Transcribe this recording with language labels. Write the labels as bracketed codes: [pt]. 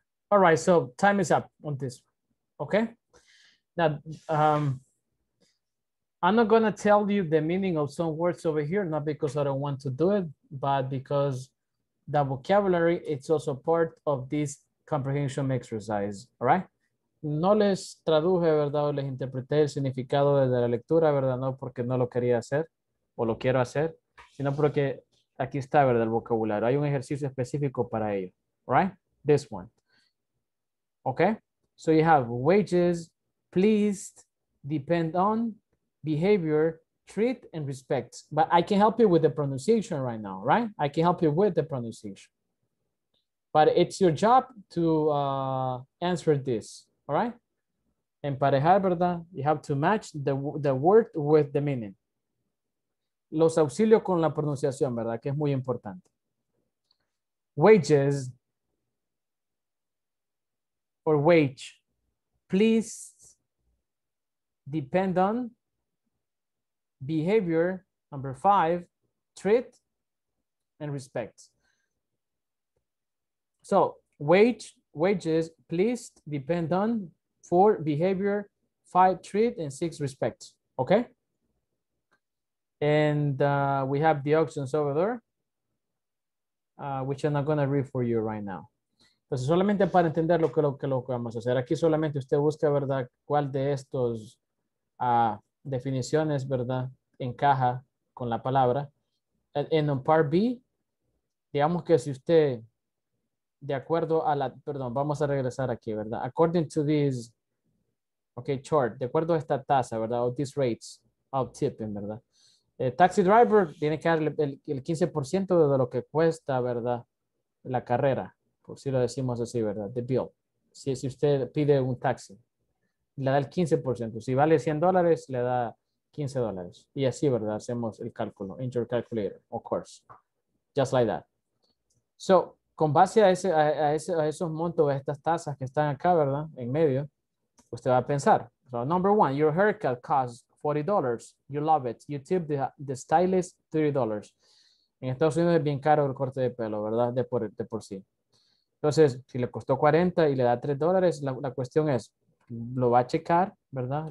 [en] All right, so time is up on this, okay? Now, I'm not gonna tell you the meaning of some words over here, not because I don't want to do it, but because the vocabulary, it's also part of this comprehension exercise, all right? [es] No les traduje, ¿verdad? O les interpreté el significado de la lectura, ¿verdad? No porque no lo quería hacer o lo quiero hacer, sino porque aquí está, ¿verdad? El vocabulario. Hay un ejercicio específico para ello, right? [en] this one. Okay, so you have wages, pleased, depend on, behavior, treat, and respect. But I can help you with the pronunciation right now, right? I can help you with the pronunciation. But it's your job to answer this, all right? [es] Emparejar, ¿verdad? [en] You have to match the word with the meaning. [es] Los auxilios con la pronunciación, ¿verdad? Que es muy importante. [en] Wages or wage. Please depend on behavior, number five, treat and respect. So wage, wages, please depend on four, behavior, five, treat and six, respect. Okay. And we have the options over there, which I'm not going to read for you right now. [es] Entonces, solamente para entender lo que vamos a hacer. Aquí solamente usted busca, ¿verdad? ¿Cuál de estos definiciones, ¿verdad? Encaja con la palabra. En part B, digamos que si usted, de acuerdo a la, perdón, vamos a regresar aquí, ¿verdad? [en] According to this, okay, chart, [es] de acuerdo a esta tasa, ¿verdad? O [en] these rates of tipping, [es] ¿verdad? Taxi driver tiene que darle el 15% de lo que cuesta, ¿verdad? La carrera, por si lo decimos así, ¿verdad? [en] The bill. [es] Si usted pide un taxi, le da el 15%. Si vale $100, le da $15. Y así, ¿verdad? Hacemos el cálculo. [en] In your calculator, of course. Just like that. [es] So, con base a esos montos, a estas tasas que están acá, ¿verdad? En medio, usted va a pensar. [en] So, number one, your haircut costs $40, you love it. You tip the stylist $30. [es] En Estados Unidos es bien caro el corte de pelo, ¿verdad? De por sí. Entonces, si le costó 40 y le da $3, la cuestión es, lo va a checar, ¿verdad?